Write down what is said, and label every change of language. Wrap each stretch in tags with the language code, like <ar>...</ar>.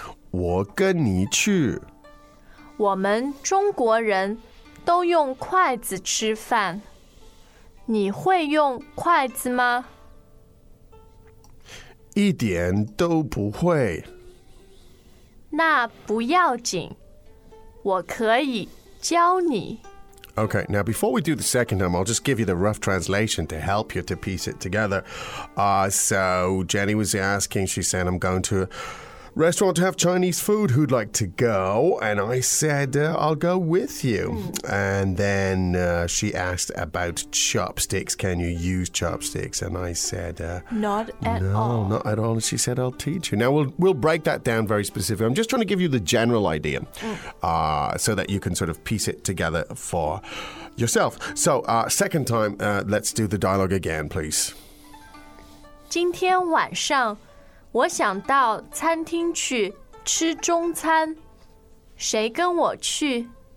<zh>我跟你去。我们中国人都用筷子吃饭。你会用筷子吗? 一点都不会。那不要紧,我可以教你。</zh> <en>Okay, now before we do the second time, I'll just give you the rough translation to help you to piece it together. So Jenny was asking, she said, I'm going to a restaurant to have Chinese food. Who'd like to go? And I said, I'll go with you. And then she asked about chopsticks. Can you use chopsticks? And I said, Not at all. And she said, I'll teach you. Now, we'll break that down very specifically. I'm just trying to give you the general idea so that you can sort of piece it together for yourself. So second time, let's do the dialogue again, please.</en> <zh>今天晚上 我想到餐厅去吃中餐。谁跟我去?</zh>